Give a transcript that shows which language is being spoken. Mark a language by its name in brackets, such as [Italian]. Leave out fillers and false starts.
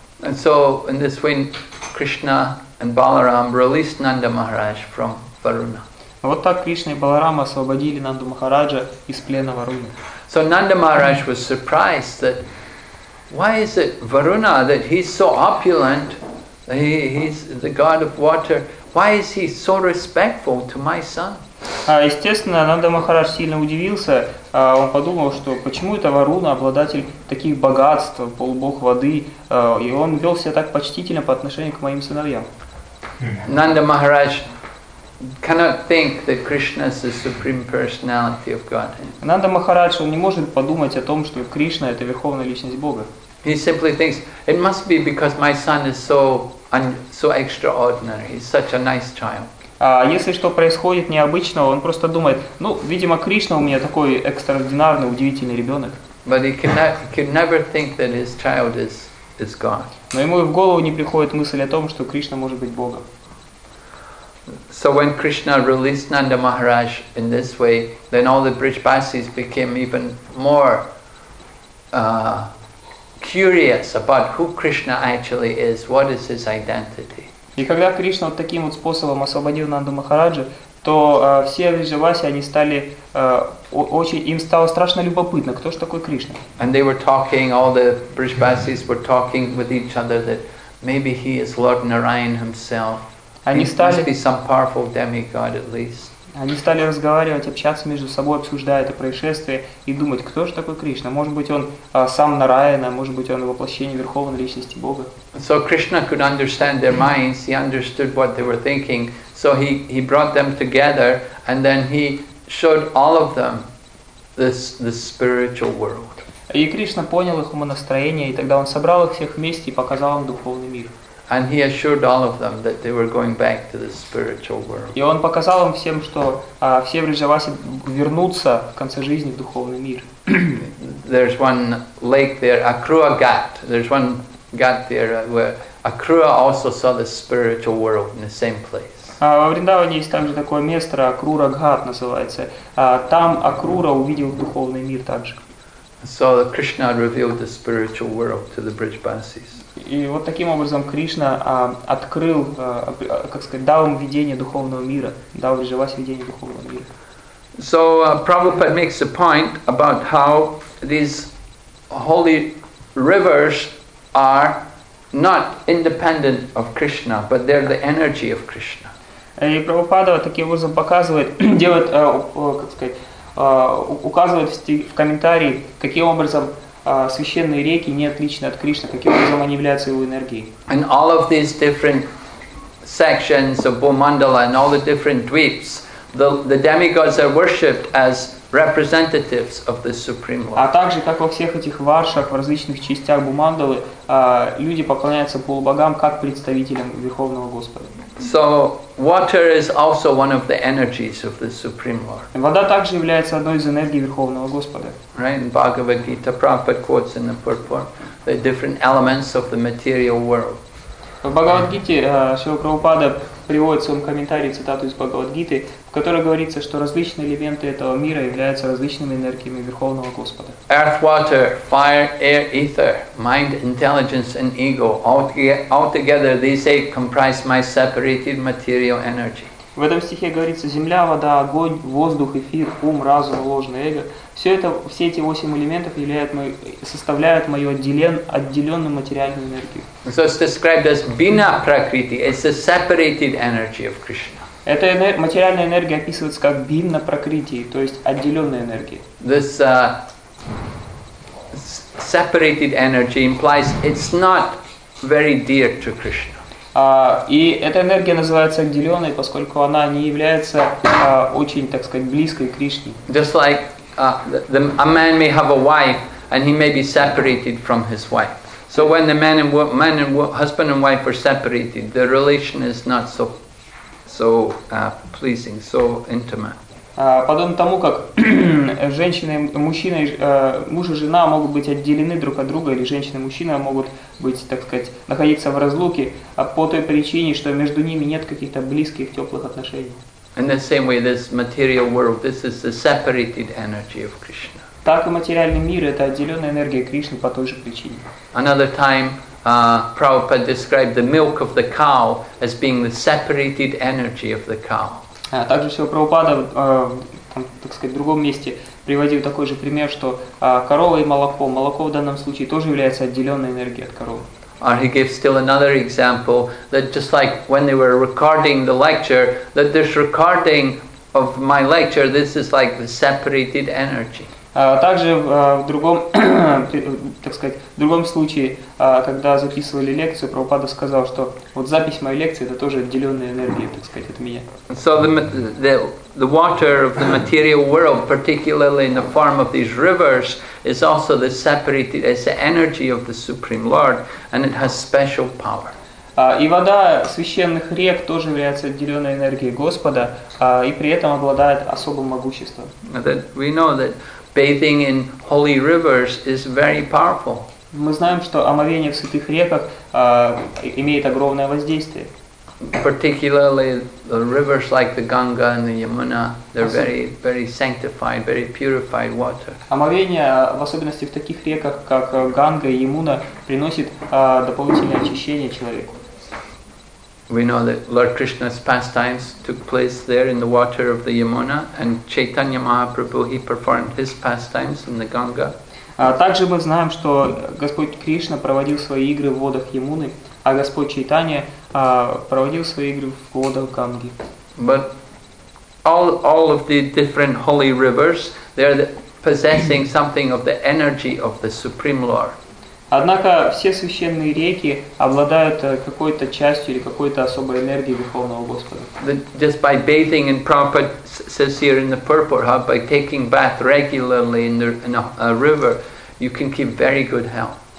[English] And so in this way, Krishna and Balaram released Nanda Maharaj from Varuna. [Russian] Вот так Кришна и Баларама освободили Нанду Махараджа из плена Варуны. [English] So Nanda Maharaj was surprised that why is it Varuna that he's so opulent, he's the god of water. Why is he so respectful to my son? [Russian] Естественно, Нанда Махарадж сильно удивился. Он подумал, что почему это Варуна, обладатель таких богатств, полубог воды, и он вел себя так почтительно по отношению к моим сыновьям. [English] Нанда Махарадж cannot think that Krishna is the supreme personality of Godhead. [Russian] Нанда Махарадж не может подумать о том, что Кришна это верховная личность Бога. [English] He simply thinks it must be because my son is so extraordinary. He's such a nice child. [Russian] Если что происходит необычного, он просто думает, ну, видимо, Кришна у меня такой экстраординарный, удивительный ребенок. [English] But he could never think that his child is God. [Russian] Но ему и в голову не приходит мысль о том, что Кришна может быть Богом. [English] So when Krishna released Nanda Maharaj in this way, then all the Brijbasis became even more curious about who Krishna actually is, what is his identity. [Russian] И когда Кришна вот таким вот способом освободил Нанду Махараджа, то все Вриджаваси, они стали, очень, им стало страшно любопытно, кто же такой Кришна. [English] And they were talking, all the Vriddhavasis were talking with each other that maybe he is Lord Narayan himself. [Russian] Они стали, [English] must be some powerful demigod at least. [Russian] Они стали разговаривать, общаться между собой, обсуждая это происшествие и думать, кто же такой Кришна? Может быть, он сам Нараяна, может быть, он воплощение Верховной Личности Бога. [English] So Krishna could understand their minds, he understood what they were thinking, so he brought them together and then he showed all of them this spiritual world. [Russian] И Кришна понял их умонастроение, и тогда он собрал их всех вместе и показал им духовный мир. [English] And he assured all of them that they were going back to the spiritual world. [Russian] И он показал им всем, что все Вриджаваси вернутся в конце жизни в духовный мир. [English] There's one lake there, Akrua Ghat. There's one ghat there where Akrua also saw the spiritual world in the same place. [Russian] Во Вриндаване есть также такое место, Акрура Ghat называется. Там Акрура увидел духовный мир также. [English] So Krishna revealed the spiritual world to the Brijbasis. [Russian] И вот таким образом Кришна открыл, как сказать, дал им видение духовного мира, дал Вриджаваси видение духовного мира. [English] So Prabhupada makes a point about how these holy rivers are not independent of Krishna, but they're the energy of Krishna. [Russian] И Прабхупада таким образом показывает, делает, как сказать, указывает в комментарии, каким образом священные реки не отличны от Кришны, каким образом они являются его энергией. [English] And all of these different sections of Bhumandala and all the different dweeps, the demigods are worshipped as representatives of the Supreme Lord. [Russian] А также, как во всех этих варшах, в различных частях Бумандалы, люди поклоняются полубогам как представителям Верховного Господа. [English] So water is also one of the energies of the Supreme Lord. [Russian] Вода также является одной из энергий Верховного Господа. [English] Right, in Bhagavad Gita, Prabhupada quotes in the purport the different elements of the material world. [Russian] В Бхагавад Гите Шрила Прабхупада приводит в своем комментарии цитату из Бхагавад Гиты, в которой говорится, что различные элементы этого мира являются различными энергиями Верховного Господа. [English] Earth, water, fire, air, ether, mind, intelligence, and ego. Altogether, these eight comprise my separated material energy. [Russian] В этом стихе говорится: земля, вода, огонь, воздух, эфир, ум, разум, ложное эго. Все эти восемь элементов составляют мою отделенную материальную энергию. [English] So it's described as bina prakriti. It's a separated energy of Krishna. [Russian] Эта материальная энергия описывается как бина прокрити, то есть отделенная энергия. [English] This separated energy implies it's not very dear to Krishna. [Russian] И эта энергия называется отделенной, поскольку она не является очень, так сказать, близкой к Кришне. [English] Just like a man may have a wife, and he may be separated from his wife. So when the husband and wife are separated, the relation is not so pleasing, so intimate. [Russian] Подобно тому, как женщина и мужчина, муж и жена могут быть отделены друг от друга, или женщина и мужчина могут быть, так сказать, находиться в разлуке, а по той причине, что между ними нет каких-то близких, теплых отношений. [English] In the same way, this material world, this is the separated energy of Krishna. [Russian] Так и материальный мир – это отделенная энергия Кришны по той же причине. [English] Another time, Prabhupada described the milk of the cow as being the separated energy of the cow. [Russian] Также Шрила Прабхупада, так сказать, в другом месте приводил такой же пример, что корова и молоко. Молоко в данном случае тоже является отделенной энергией от коровы. [English] Or he gives still another example that just like when they were recording the lecture, that this recording of my lecture, this is like the separated energy. [Russian] Также в другом, так сказать, в другом случае, когда записывали лекцию, Прабхупада сказал, что вот запись моей лекции это тоже отделенная энергия, так сказать, от меня. [English] So the water of the material world, particularly in the form of these rivers, is also the separated, it's the energy of the Supreme Lord, and it has special power. [Russian] И вода священных рек тоже является отделенной энергией Господа, и при этом обладает особым могуществом. [English] We know that bathing in holy rivers is very powerful. [Russian] Мы знаем, что омовение в святых реках имеет огромное воздействие. [English] Particularly the rivers like the Ganga and the Yamuna, they're very, very sanctified, very purified water. [Russian] Омовение, в особенности в таких реках, как Ганга и Ямуна, приносит дополнительное очищение человеку. [English] We know that Lord Krishna's pastimes took place there in the water of the Yamuna, and Chaitanya Mahaprabhu, he performed his pastimes in the Ganga. [Russian] Также мы знаем, что Господь Кришна проводил свои игры в водах Ямуны, а Господь Чайтанья проводил свои игры в водах Ганги. [English] But all of the different holy rivers, they are possessing something of the energy of the Supreme Lord. [Russian] Однако все священные реки обладают какой-то частью или какой-то особой энергией Верховного Господа. [English] Just by bathing, and Prabhupada says here in the purport, how by taking bath regularly in a river, you can keep very good health.